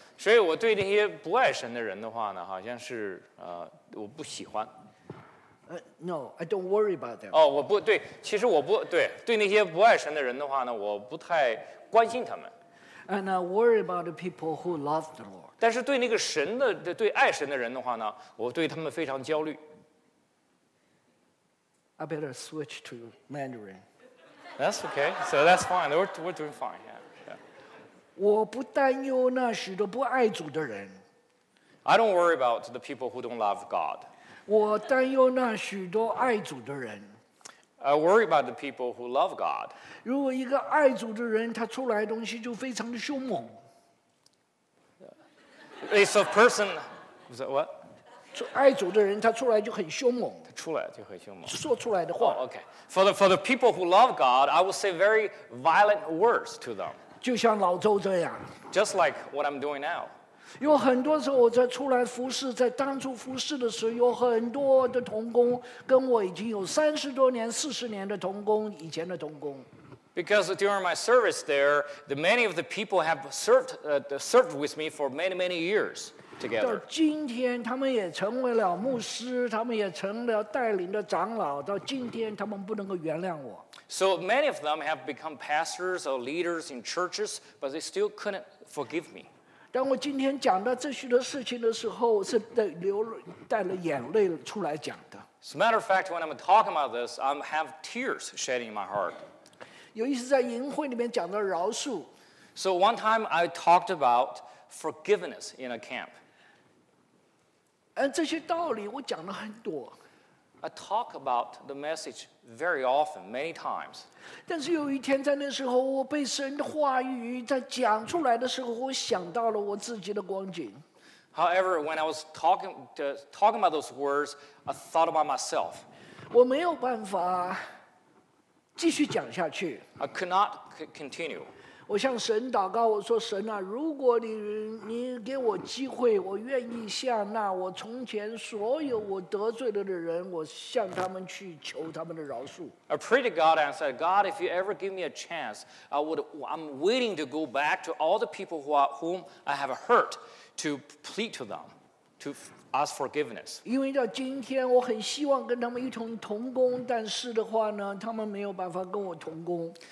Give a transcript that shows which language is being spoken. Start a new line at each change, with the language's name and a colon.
Chinese: 所以我对那些不爱神的人的话呢，好像是我不喜欢。
English: No, I don't worry about them.
Chinese: 哦，我不对，其实我不对，对那些不爱神的人的话呢，我不太关心他们。
English: And I worry about the people who love the Lord.
Chinese: 但是对那个神的，对爱神的人的话呢，我对他们非常焦虑。
English: I better switch to Mandarin. That's okay. So that's fine. We're doing fine. Yeah.
Chinese: 我不担忧那许多不爱主的人。
English: I don't worry about the people who don't love God.
Chinese: 我担忧那许多爱主的人。
English: I worry about the people who love God.
Chinese: 如果一个爱主的人，他出来的东西就非常的凶猛。
English: It's a person. Is that what?
Chinese: 爱主的人，他出来就很凶猛。他出来就很凶猛。说出来的话。
English: Oh, okay. For the people who love God, I will say very violent words to them.
Chinese: 就像老周这样。
English: Just like what I'm doing now.
Chinese: 有很多时候我在出来服侍，在当初服侍的时候，有很多的同工跟我已经有30多年、40年的同工，以前的同工。
English: Because during my service there, the many of the people have served with me for many, many years together.
Chinese: 到今天，他们也成为了牧师，他们也成了带领的长老。到今天，他们不能够原谅我。
English: So many of them have become pastors or leaders in churches, but they still couldn't forgive me.
Chinese: 当我今天讲到这许多事情的时候，是带了眼泪出来讲的。
English: As a matter of fact, when I'm talking about this, I have tears shedding in my heart.
Chinese: 尤其是在营会里面讲到饶恕。
English: So one time I talked about forgiveness in a camp.
Chinese: 这些道理我讲了很多。
English: I talk about the message very often, many times.
Chinese: 但是有一天在那时候我被神的话语在讲出来的时候我想到了我自己的光景。
English: However, when I was talking about those words, I thought about myself.
Chinese: 我没有办法继续讲下去。
English: I could not continue.
Chinese: 我向神祷告，我说：“神啊，如果你给我机会，我愿意向那我从前所有我得罪了的人，我向他们去求他们的饶恕。”
English: I prayed to God and said, "God, if you ever give me a chance, I'm willing to go back to all the people whom I have hurt to plead to them to ask forgiveness."
Chinese: 因为到今天，我很希望跟他们一同同工，但是的话呢，他们没有办法跟我同工。